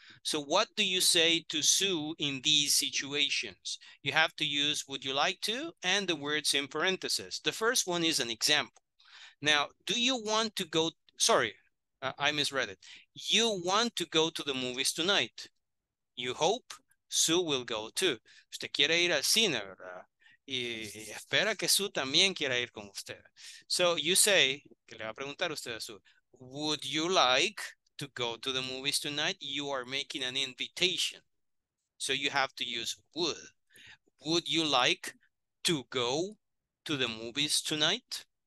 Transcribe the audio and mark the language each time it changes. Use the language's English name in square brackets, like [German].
[English] So what do you say to Sue in these situations? You have to use would you like to and the words in parentheses. The first one is an example. Now, do you want to go? Sorry, I misread it. You want to go to the movies tonight. You hope Sue will go too. [Spanish] Usted quiere ir al cine, ¿verdad? Y espera que Sue también quiera ir con usted. [English] So you say, [Spanish] que le va a preguntar usted a Sue, [English] would you like to go to the movies tonight? You are making an invitation. So you have to use would. Would you like to go to the movies tonight?